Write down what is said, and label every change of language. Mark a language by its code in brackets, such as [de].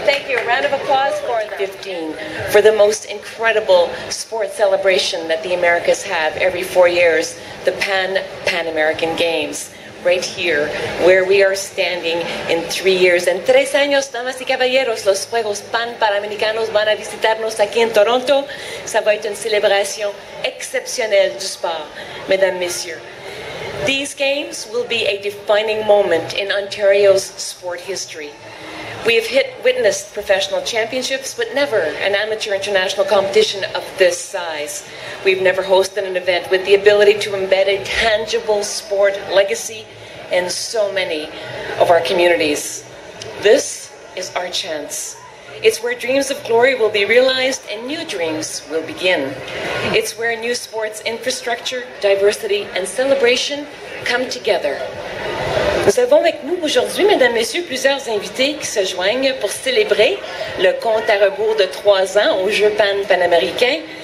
[en] Thank you. A round of applause for them. 15 for the most incredible sports celebration that the Americas have every 4 years, the Pan American Games. Right here, where we are standing in 3 years. [es] En tres años, damas y caballeros, los Juegos Pan Panamericanos van a visitarnos aquí en Toronto. [fr] Ça va être une célébration exceptionnelle du sport, mesdames, messieurs. [en] These games will be a defining moment in Ontario's sport history. We have witnessed professional championships, but never an amateur international competition of this size. We've never hosted an event with the ability to embed a tangible sport legacy in so many of our communities. This is our chance. It's where dreams of glory will be realized and new dreams will begin. It's where new sports infrastructure, diversity, and celebration come together. [fr] Nous avons avec nous aujourd'hui, mesdames, messieurs, plusieurs invités qui se joignent pour célébrer le compte à rebours de 3 ans aux Jeux Pan-Panaméricains.